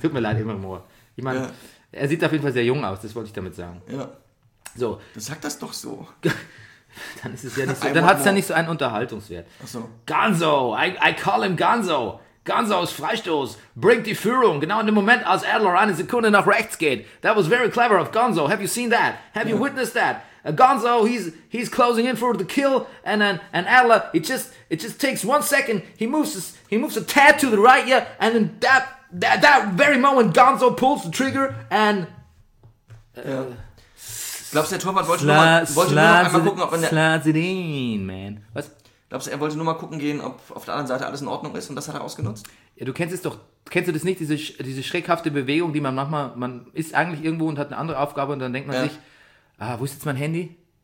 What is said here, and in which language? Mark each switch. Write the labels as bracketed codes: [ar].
[de] Tut mir leid, immer Moore. Ich meine, ja. Er sieht auf jeden Fall sehr jung aus, das wollte ich damit sagen. Ja. So. Dann sag das doch so. Dann ist es ja nicht so. Dann hat es ja nicht so einen Unterhaltungswert. Ach so. [en] Gonzo, I call him Gonzo. [de] Gonzo's Freistoß bringt die Führung. Genau in dem Moment, als Adler eine Sekunde nach rechts geht. [en] That was very clever of Gonzo. Have you seen that? Have you witnessed that? Gonzo, he's closing in for the kill, and Adler, it just takes 1 second. He moves a tad to the right, yeah, and then that very moment, Gonzo pulls the trigger and. [de] Glaubst du, der Torwart wollte nur noch einmal gucken, ob er in, man. Was? Glaubst du, er wollte nur mal gucken gehen, ob auf der anderen Seite alles in Ordnung ist, und das hat er ausgenutzt? Ja, du kennst es doch. Kennst du das nicht? Diese schreckhafte Bewegung, die man manchmal, man ist eigentlich irgendwo und hat eine andere Aufgabe und dann denkt man sich. Ah, wo ist jetzt mein Handy?